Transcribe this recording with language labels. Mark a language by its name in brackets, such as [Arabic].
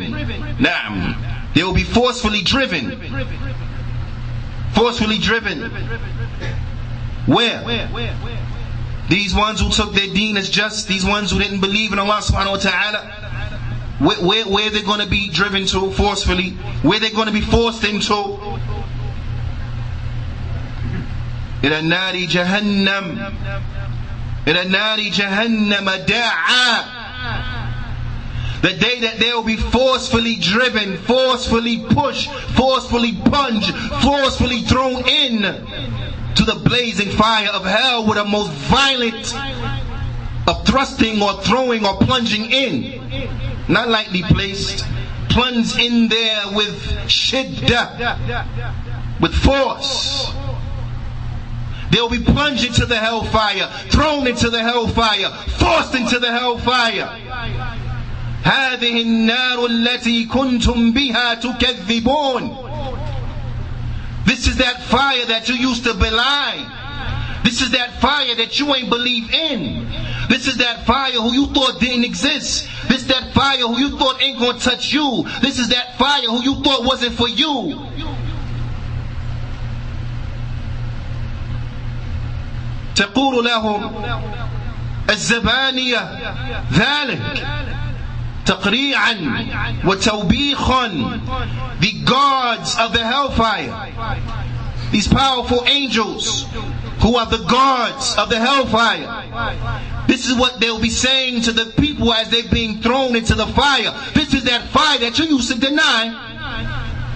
[English] نعم, they will be forcefully driven. Forcefully driven. Where? These ones who took their deen as just, these ones who didn't believe in Allah subhanahu wa ta'ala, where are they going to be driven to forcefully? Where are they going to be forced into? [Arabic] إلى النار جهنم إلى النار جهنم داعا. [English] The day that they will be forcefully driven, forcefully pushed, forcefully plunged, forcefully thrown in to the blazing fire of hell with the most violent of thrusting or throwing or plunging in. Not lightly placed. Plunged in there with shidda, with force. They'll be plunged into the hellfire, thrown into the hellfire, forced into the hellfire. [Arabic] هذه النار التي كنتم بها تكذبون. [English] This is that fire that you used to belie. This is that fire that you ain't believe in. This is that fire who you thought didn't exist. This is that fire who you thought ain't gonna touch you. This is that fire who you thought wasn't for you. [Arabic] تقول لهم الزبانية ذلك تقريعا وتوبيخا. [English] The guards of the hellfire, these powerful angels who are the guards of the hellfire, this is what they'll be saying to the people as they're being thrown into the fire. This is that fire that you used to deny.